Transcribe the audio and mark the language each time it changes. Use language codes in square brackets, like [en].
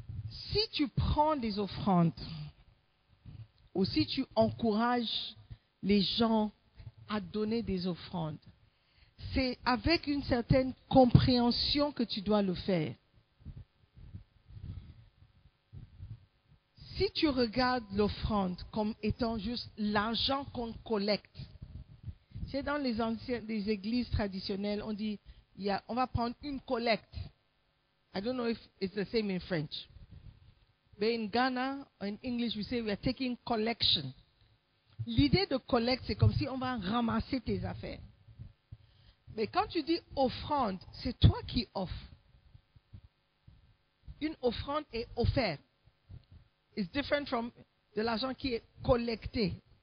[fr] Si tu prends des offrandes ou si tu encourages les gens à donner des offrandes, c'est avec une certaine compréhension que tu dois le faire. Si tu regardes l'offrande comme étant juste l'argent qu'on collecte, c'est dans les anciennes des églises traditionnelles, on dit, on va prendre une collecte. [en] I don't know if it's the same in French. But in Ghana, in English, we say we are taking collection. [fr] L'idée de collecte, c'est comme si on va ramasser tes affaires. Mais quand tu dis offrande, c'est toi qui offres. Une offrande est offerte. [en] It's different from [fr] de l'argent qui est collecté.